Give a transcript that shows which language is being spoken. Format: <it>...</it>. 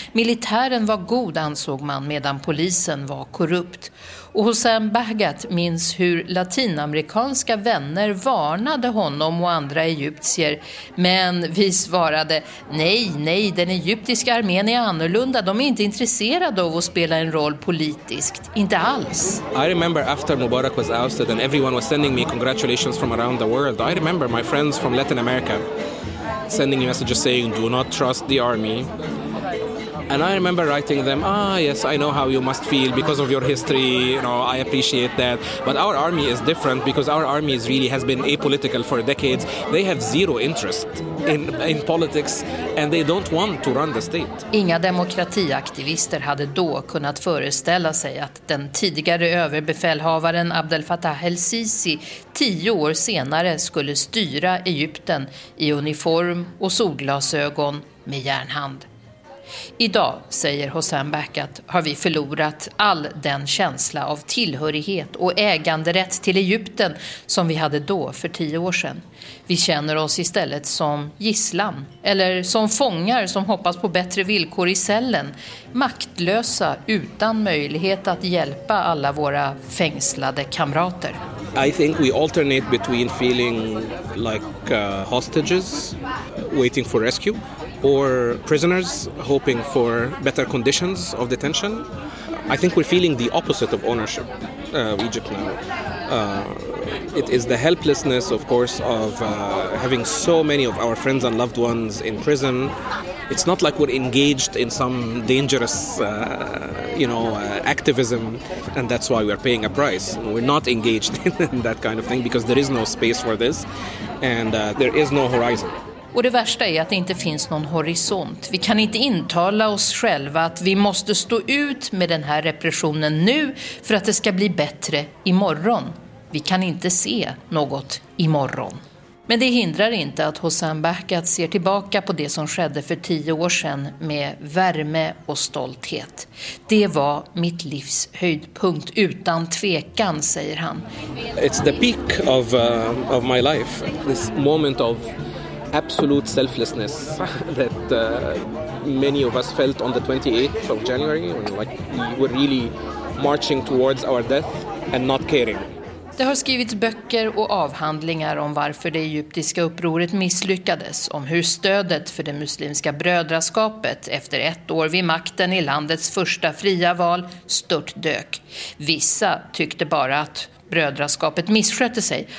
<sv>Militären var god, ansåg man, medan polisen var korrupt. Och Hossein Bahgat minns hur latinamerikanska vänner varnade honom och andra egyptier. Men vi svarade, nej, nej, den egyptiska armén är annorlunda. De är inte intresserade av att spela en roll politiskt. Inte alls.</sv> <en>I remember after Mubarak was ousted and everyone was sending me congratulations from around the world. I remember my friends from Latin America sending me messages saying do not trust the army. And I remember writing them, ah, yes, I know how you must feel because of your history, you know, I appreciate that. But our army is different because our army is really has been apolitical for decades. They have zero interest in politics and they don't want to run the state.</en> <sv>Inga demokratiaktivister hade då kunnat föreställa sig att den tidigare överbefälhavaren Abdel Fattah el-Sisi 10 år senare skulle styra Egypten i uniform och solglasögon med järnhand. Idag, säger Hossein Bahgat, har vi förlorat all den känsla av tillhörighet och äganderätt till Egypten som vi hade då för 10 år sedan. Vi känner oss istället som gisslan eller som fångar som hoppas på bättre villkor i cellen. Maktlösa utan möjlighet att hjälpa alla våra fängslade kamrater.</sv> <en>I think we alternate between feeling like hostages waiting for rescue. Or prisoners hoping for better conditions of detention. I think we're feeling the opposite of ownership of Egypt now. It is the helplessness, of course, of having so many of our friends and loved ones in prison. It's not like we're engaged in some dangerous, activism, and that's why we're paying a price. We're not engaged in that kind of thing because there is no space for this, and there is no horizon.</en> <sv>Och det värsta är att det inte finns någon horisont. Vi kan inte intala oss själva att vi måste stå ut med den här repressionen nu för att det ska bli bättre imorgon. Vi kan inte se något imorgon. Men det hindrar inte att Hossein Bahgat ser tillbaka på det som skedde för 10 år sedan med värme och stolthet. Det var mitt livs höjdpunkt utan tvekan, säger han.</sv> <en>It's the peak of my life. This moment of absolute selflessness that many of us felt on the 28th of January when we were really marching towards our death and not caring.</en> <sv>Det har skrivits böcker och avhandlingar om varför det egyptiska upproret misslyckades, om hur stödet för det muslimska brödraskapet efter 1 år vid makten i landets första fria val stört dök. Vissa tyckte bara att brödraskapet misskötte sig.</sv>